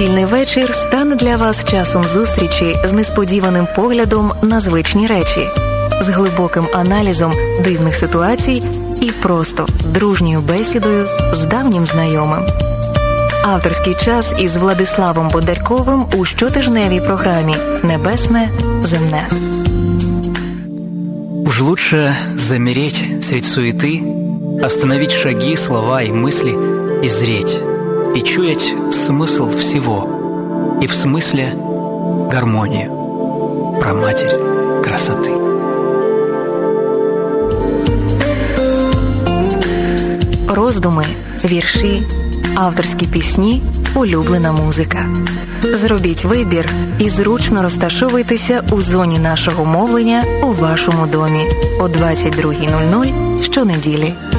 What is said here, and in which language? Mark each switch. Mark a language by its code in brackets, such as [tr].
[uk] вечір стане для вас часом зустрічі з несподіваним поглядом на звичні речі, з глибоким аналізом дивних ситуацій і просто дружньою бесідою з давнім знайомим. Авторський час із Владиславом Бондарковим у щотижневій програмі «Небесне, земне». [ru] Уж лучше замереть средь суеты, остановить шаги, слова и мысли, и зреть, и чуять смысл всего, и в смысле гармонию, праматерь красоты. [uk] Роздуми, вірші, авторські пісні, улюблена музика. Зробіть вибір і зручно розташовуйтеся у зоні нашого мовлення у вашому домі о 22:00 щонеділі.